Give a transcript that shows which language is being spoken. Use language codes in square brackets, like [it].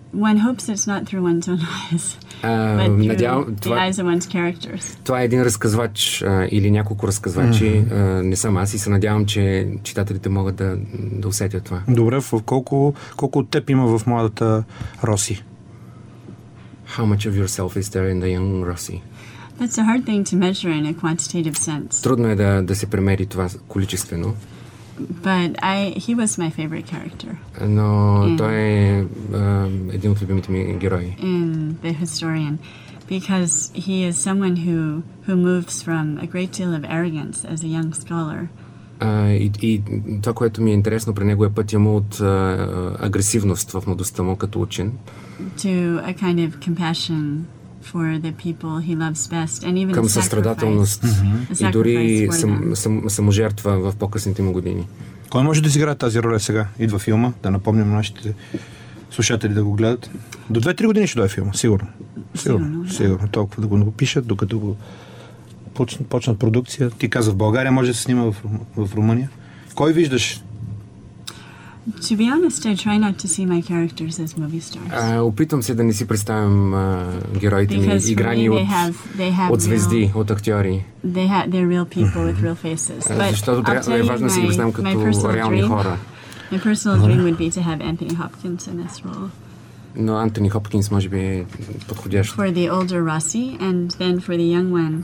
[en] One hopes it's not through one's own eyes, but through the eyes of one's characters. [bg] Това е един разказвач или няколко разказвачи, не само аз, и се надявам, че читателите могат да усетят това. Добре, колко от теб има в младата Роси? [en] How much of yourself is there in the young Rossi? That's a hard thing to measure in a quantitative sense. [bg] Трудно е да се премери това количествено. [en] But he was my favorite character. [bg] Но той е един от любимите ми герои. [en] In The Historian, because he is someone who moves from a great deal of arrogance as a young scholar. [bg] И това, което ми е интересно при него, е пътя му от агресивност в младостта му като учен. [en] To a kind of compassion for the people he loves best, and even [bg] към състрадателност и дори саможертва в по-късните му години. Кой може да изиграе тази роля сега? Идва филма, да напомним нашите слушатели да го гледат. До 2-3 години ще дойде филма, сигурно. Сигурно. Толкова да го напишат, докато го почнат продукция. Ти каза, в България може да се снима в Румъния. Кой виждаш? [en] To be honest, I try not to see my characters as movie stars. [bg] Опитвам се да не си представям героите ми, играни от звезди, от актьори. [en] They're real people with real faces. [bg] Защото е важно да си ги знам като реални хора. [en] My personal dream would be to have Anthony Hopkins in this role. [bg] Но Anthony Hopkins може би е подходящ. [en] For the older Rossi, and then for the young one.